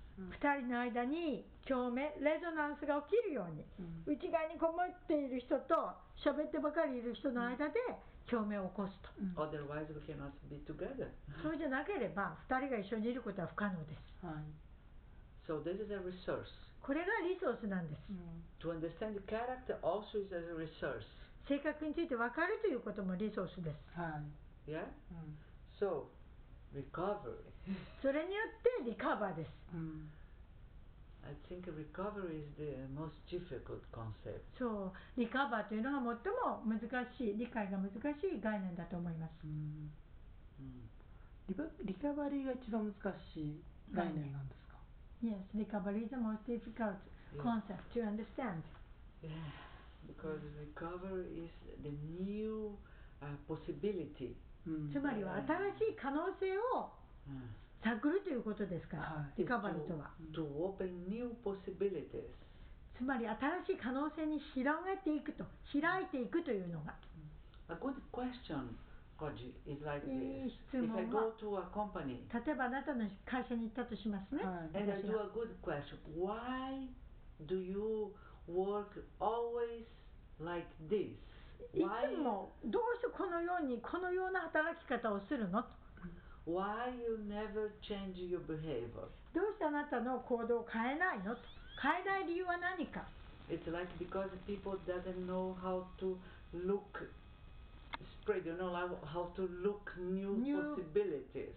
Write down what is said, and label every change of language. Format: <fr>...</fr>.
<ja>2人の間に共鳴レゾナンスが起きるように、うん、内側にこもっている人と喋ってばかりいる人の間で共鳴を起こすと、</ja> <en>うん、Otherwise we cannot be together.</en> <ja>そうじゃなければ2人が一緒にいることは不可能です、はい、</ja> <en>So this is a resource.</en> <ja>これがリソースなんです、うん、</ja> <en>To understand the character also is a resource.</en> <ja>性格について分かるということもリソースです。はい、</ja> <en>yeah?</en> <ja>うん、</ja> <en>So recovery.</en> <ja>それによってリカバーです、うん、</ja> <en>I think recovery is the most difficult concept.</en> <ja>そう、リカバーというのは最も難しい、理解が難しい概念だと思います。うん、リカバリーが一番難しい概念なんですか？</ja> <en>Yes, recovery is the most difficult concept to understand. Yeah, because recovery is the new possibility.</en> <ja>つまりは新しい可能性を探るということですから、はい、リカバリーとは</ja> <en>to open new possibilities.</en> <ja>つまり新しい可能性に広げていくと開いていくというのが、</ja> <en>A good question, Koji, is like this.</en> <ja>いい質問は</ja> <en>If I go to a company,</en> <ja>例えばあなたの会社に行ったとしますね、はい、</ja> <en>And I do a good question Why do you work always like this?</en> <ja>いつもどうしてこのようにこのような働き方をするのと。</ja> <en>Why you never change your behavior?</en> <ja>どうしてあなたの行動を変えないの？変えない理由は何か？</ja> <en>It's like because people doesn't know how to look spread, you know, how to look new possibilities.</en>